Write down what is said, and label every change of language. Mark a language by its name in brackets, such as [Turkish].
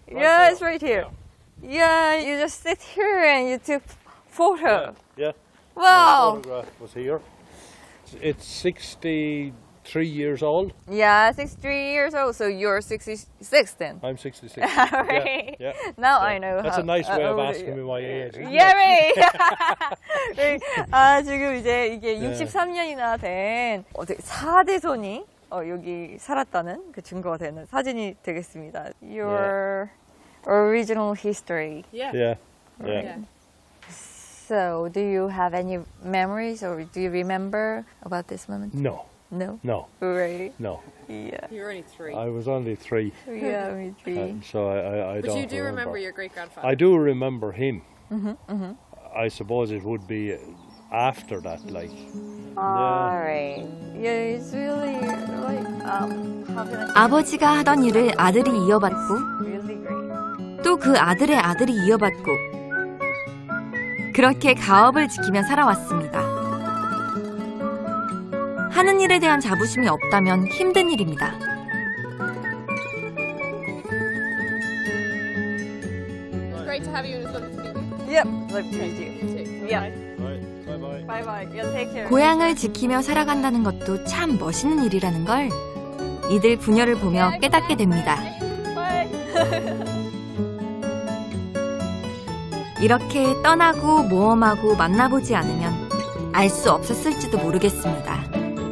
[English] Right yeah, there. It's right here. Yeah. Yeah, you just sit here and you took photo. Yeah. Wow. My photograph was here. It's 63 years old. Yeah, 63 years old. So you're 66 then. I'm 66. All right. Yeah. Yeah. Now yeah. I know. That's how, a nice way of asking me my age. Yeah, right. [Korean] right. 아, 지금 이제 이게 yeah. 63년이나 된 4대손이 여기 살았다는 그 증거가 되는 사진이 되겠습니다. [English] Your yeah. original history. Yeah. Yeah. Right. Yeah. So, do you have any memories or do you remember about this moment? No. No? No. Really? No. Yeah. You're only three. I was only three. Yeah, me three. So I but don't But you do remember. Remember your great-grandfather. I do remember him. Mm-hmm. Mm-hmm. I suppose it would be after that, like. Alright. Yeah, it's really, like, [Korean] 아버지가 하던 일을 아들이 이어받고 또 그 아들의 아들이 이어받고 그렇게 가업을 지키며 살아왔습니다. 하는 일에 대한 자부심이 없다면 힘든 일입니다. [English] 네. Great to have you. It was lovely to meet you. Yep, lovely to meet you. You too. Yep. Bye. [Korean] 고향을 지키며 살아간다는 것도 참 멋있는 일이라는 걸 이들 부녀를 보며 깨닫게 됩니다. 이렇게 떠나고 모험하고 만나보지 않으면 알 수 없었을지도 모르겠습니다.